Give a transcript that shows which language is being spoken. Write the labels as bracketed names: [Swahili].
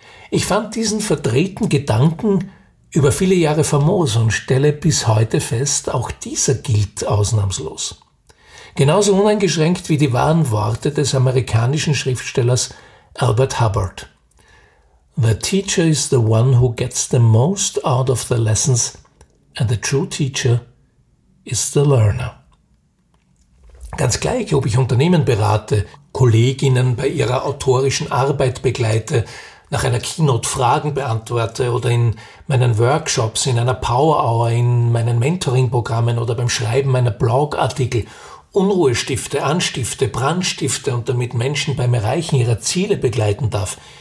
[German] Ich fand diesen verdrehten Gedanken über viele Jahre famos und stelle bis heute fest, auch dieser gilt ausnahmslos. Genauso uneingeschränkt wie die wahren Worte des amerikanischen Schriftstellers Albert Hubbard. [English] The teacher is the one who gets the most out of the lessons, and the true teacher is the learner. [German] Ganz gleich, ob ich Unternehmen berate, Kolleginnen bei ihrer autorischen Arbeit begleite, nach einer Keynote Fragen beantworte oder in meinen Workshops, in einer Power Hour, in meinen Mentoring-Programmen oder beim Schreiben meiner Blogartikel Unruhe stifte, anstifte, brandstifte und damit Menschen beim Erreichen ihrer Ziele begleiten darf.